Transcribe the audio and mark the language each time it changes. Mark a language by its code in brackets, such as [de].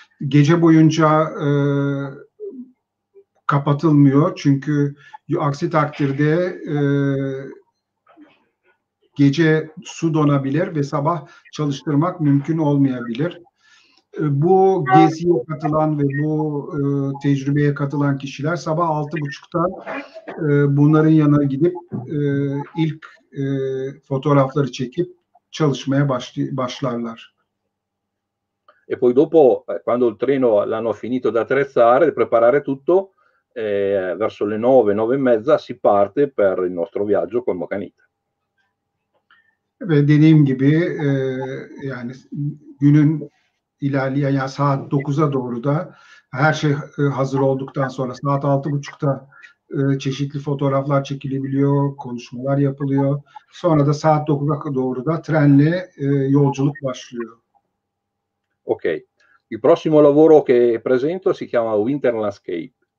[tr] Gece boyunca kapatılmıyor çünkü aksi takdirde gece su donabilir ve sabah çalıştırmak mümkün olmayabilir. Bu geziye katılan ve bu tecrübeye katılan kişiler sabah 6:30'da bunların yanına gidip ilk fotoğrafları çekip çalışmaya başlarlar. [it] E poi dopo, quando il treno l'hanno finito di attrezzare, di preparare tutto, verso le 9, 9:30 si parte per il nostro viaggio con Mokanita. [tr] Ve dediğim gibi yani günün ilerleyen yani saat 9'a doğru da her şey hazır olduktan sonra saat 6:30'da çeşitli fotoğraflar çekilebiliyor, konuşmalar yapılıyor. Sonra da saat 9'a doğru da trenle yolculuk başlıyor. Ok. [it] Il prossimo lavoro che presento si chiama Winter Landscape.